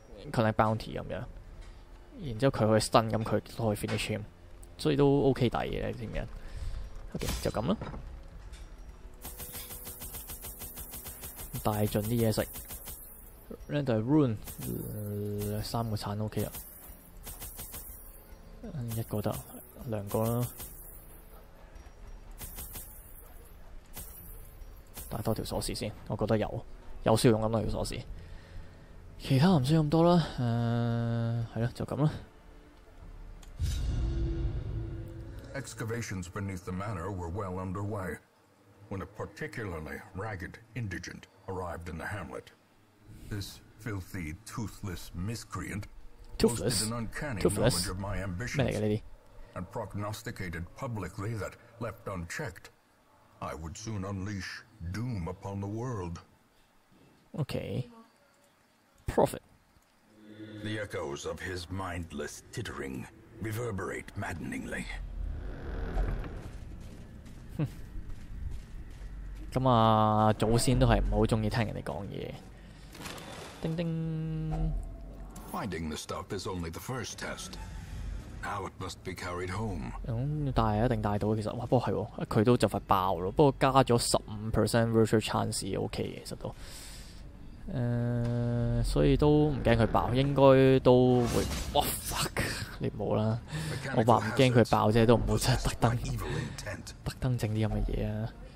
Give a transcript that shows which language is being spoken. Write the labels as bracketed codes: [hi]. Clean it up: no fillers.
[yue] connect bounty 咁样，然之后佢去 stun 咁佢都可以 finish him， 所以都 OK 抵嘅，你知唔知 ？OK 就咁啦，带尽啲嘢食 ，round 就系 rune 三个铲 OK 啦，一个得，两个啦，带多条锁匙先，我觉得有需要用咁多条锁匙。其他唔需要咁多啦，系啦，就咁啦。 [en] Excavations beneath the manor were well underway when a particularly ragged indigent arrived in the hamlet. This filthy, toothless miscreant posted an uncanny knowledge of my ambitions and prognosticated publicly that, left unchecked, I would soon unleash doom upon the world. Okay. Prophet. The echoes of his mindless tittering reverberate maddeningly. [yue] 咁啊，祖先都系唔好中意听人哋讲嘢。叮叮。 [en] Finding the stuff is only the first test. Now it must be carried home. [yue] 带一定带到，其实哇，不过系喎，佢都就快爆咯。不过加咗15% virtual chance OK 嘅，其实都。所以都唔惊佢爆，应该都会。哇 fuck！你唔好啦，我话唔惊佢爆啫，都唔好真系特登整啲咁嘅嘢啊。